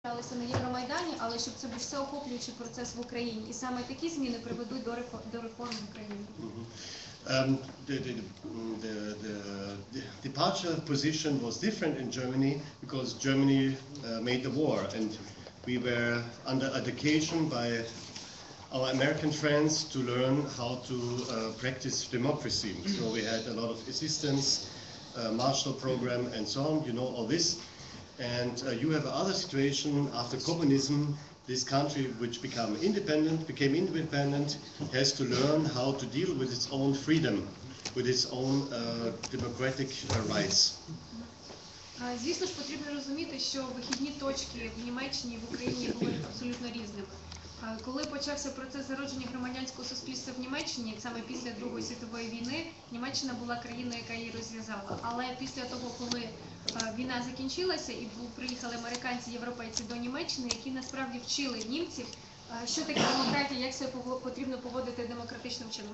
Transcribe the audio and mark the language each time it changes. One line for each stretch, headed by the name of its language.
Ukrainian: займалися на Євромайдані, але щоб це був всеохоплюючий процес в Україні. І саме такі зміни приведуть до реформ в Україні.
English: The departure position was different in Germany because Germany made the war and we were under education by our American friends to learn how to practice democracy. So we had a lot of assistance, Marshall Program and so on, you know all this. And you have another situation after communism. This country, which became independent, has to learn how to deal with its own freedom, with its own democratic rights.
Ukrainian: Звісно ж, потрібно розуміти, що вихідні точки в Німеччині і в Україні були абсолютно різними. Коли почався процес зародження громадянського суспільства в Німеччині, саме після Другої світової війни, Німеччина була країною, яка її розв'язала. Але після того, коли війна закінчилася і приїхали американці, європейці до Німеччини, які насправді вчили німців, що таке демократія, як себе потрібно поводити демократичним чином.